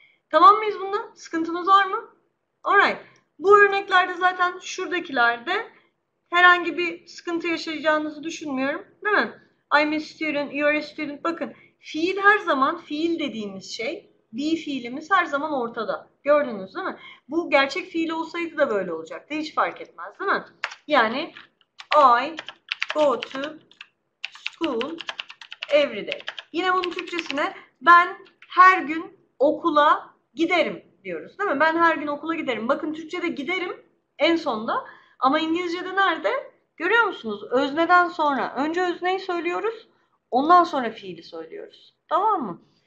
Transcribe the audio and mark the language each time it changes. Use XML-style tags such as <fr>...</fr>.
<tr>Tamam mıyız bunda? Sıkıntımız var mı? Alright. Bu örneklerde zaten şuradakilerde herhangi bir sıkıntı yaşayacağınızı düşünmüyorum, değil mi?</tr> <en>I'm a student, you're a student.</en> <tr>Bakın, Fiil her zaman, fiil dediğimiz şey, be fiilimiz her zaman ortada. Gördünüz değil mi? Bu gerçek fiil olsaydı da böyle olacaktı. Hiç fark etmez değil mi?</tr> <en>Yani I go to school every day.</en> <tr>Yine bunun Türkçesine ben her gün okula giderim diyoruz değil mi? Ben her gün okula giderim. Bakın Türkçe'de giderim en sonda ama İngilizce'de nerede? Görüyor musunuz? Özneden sonra. Önce özneyi söylüyoruz. Ondan sonra fiili söylüyoruz. Tamam mı?</tr>